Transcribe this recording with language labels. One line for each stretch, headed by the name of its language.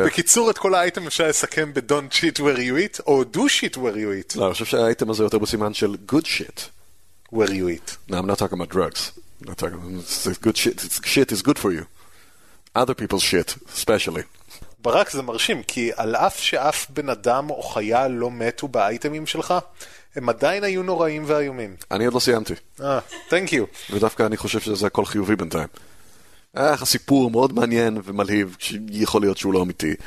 Hebrew: בקיצור, את כל האייטם אפשר לסכם ב-
English: don't shit where you eat,
Hebrew: או
English: do shit where you eat.
Hebrew: לא, אני חושב שהאייטם הזה יותר בסימן של
English: good shit. Where you eat. No, I'm not talking about drugs. I'm not talking about good shit. It's shit is good for you. Other people's shit, especially.
Hebrew: ברק, זה מרשים, כי על אף שאף בן אדם או חיה לא מתו באייטמים שלך, הם עדיין היו נוראים ואיומים. אני עוד לא סיימתי.
English: Thank you.
Hebrew: ודווקא אני חושב שזה הכל חיובי בינתיים. איך הסיפור מאוד מעניין ומלהיב, שיכול להיות שהוא לא אמיתי.